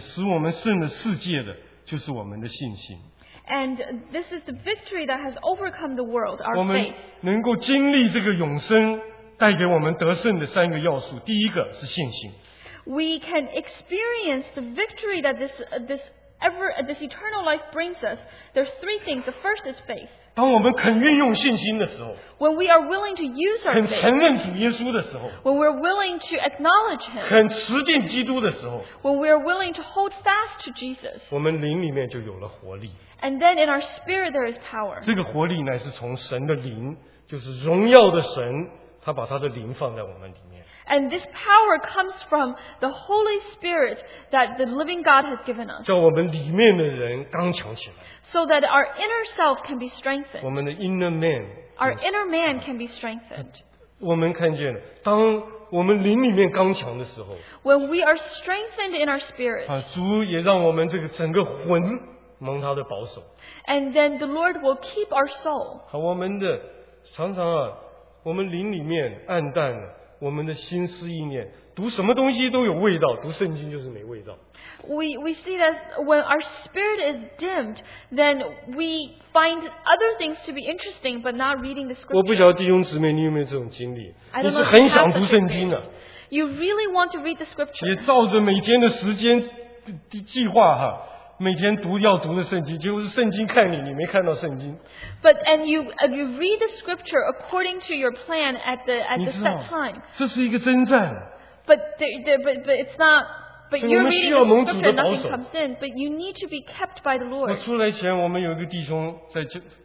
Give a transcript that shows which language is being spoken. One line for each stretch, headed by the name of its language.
Chinese: 并且使我们胜了世界的就是我们的信心。
English: And this is the victory that has overcome the world, our faith.
Chinese: 我们能够经历这个永生, 带给我们得胜的三个要素，第一个是信心。
English: We can experience the victory that this eternal life brings us. There's three things. The first is faith.
Chinese: 当我们肯运用信心的时候,
English: when we are willing to use our faith,
Chinese: 肯承认主耶稣的时候,
English: when we are willing to acknowledge Him,
Chinese: 肯持定基督的时候,
English: when we are willing to hold fast to Jesus,
Chinese: 我们灵里面就有了活力。
English: And then in our spirit there is power.
Chinese: 这个活力乃是从神的灵, 就是荣耀的神, 他把他的灵放在我们里面。
English: And this power comes from the Holy Spirit that the living God has given us.
Chinese: 叫我们里面的人刚强起来。
English: So that our inner self can be strengthened.
Chinese: 我们的
English: inner man. Our inner man can be strengthened.
Chinese: 我们看见了, 当我们灵里面刚强的时候,
English: when we are strengthened in our spirit,
Chinese: 主也让我们这个整个魂蒙他的保守。
English: And then the Lord will keep our soul.
Chinese: 我们的常常啊, 我们灵里面暗淡了, 我们的心思意念, 读什么东西都有味道, 读圣经就是没味道。
English: We see that when our spirit is dimmed, then we find other things to be interesting, but not reading the scripture.
Chinese: 我不晓得弟兄姊妹, 你有没有这种经历? 你是很想读圣经的。
English: You really want to read the scripture.
Chinese: 也照着每天的时间, 计划哈, 每天读要读的圣经，结果是圣经看你，你没看到圣经。
English: But and you read the scripture according to your plan at the set time.
Chinese: 这是一个征战。
English: But you're reading the scripture, nothing comes in. But you need to be kept by the Lord.
Chinese: 我出来前，我们有一个弟兄在教，